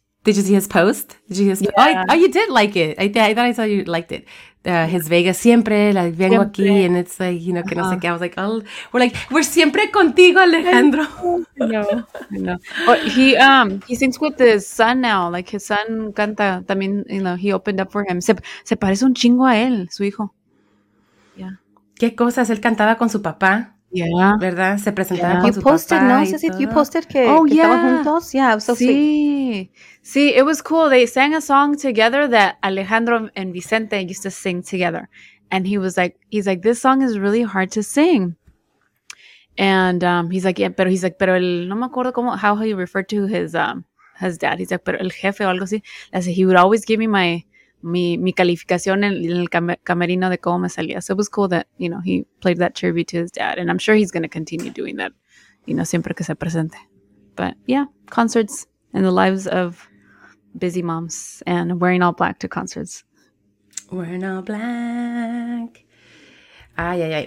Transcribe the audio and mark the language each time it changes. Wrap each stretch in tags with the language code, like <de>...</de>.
<en>Did you see his post? Oh, you did like it. I thought I saw you liked it. His Vegas siempre, like,</en> <es>vengo siempre. Aquí,</es> <en>and it's like, you know,</en> <es>que no sé qué.</es> <en>I was like, oh, we're</en> <es>siempre contigo,</es> <en>Alejandro. No. He sings with his son now. Like, his son</en> <es>canta también,</es> <en>you know, he opened up for him.</en> <es>Se parece un chingo a él, su hijo.</es> <en>Yeah.</en> <es>¿Qué cosas? Él cantaba con su papá.</es> <en>Yeah.</en> <es>¿Verdad? Se presentaba con su papá.</es> <en>You posted</en> <es>que estaban juntos?</es> <en>Yeah, it was so sweet. See, it was cool. They sang a song together that Alejandro and Vicente used to sing together. And he was like, he's like, this song is really hard to sing. And he's like, yeah, pero he's like,</en> <es>pero el, no me acuerdo cómo,</es> <en>how he referred to his dad. He's like,</en> <es>pero el jefe o algo así.</es> <en>He would always give me my</en> <es>mi calificación en el camerino de cómo me salía.</es> <en>So it was cool that, you know, he played that tribute to his dad. And I'm sure he's going to continue doing that, you know,</en> <es>siempre que se presente.</es> <en>But yeah, concerts and the lives of busy moms and wearing all black to concerts. Wearing all black. Ay, ay, ay.</en>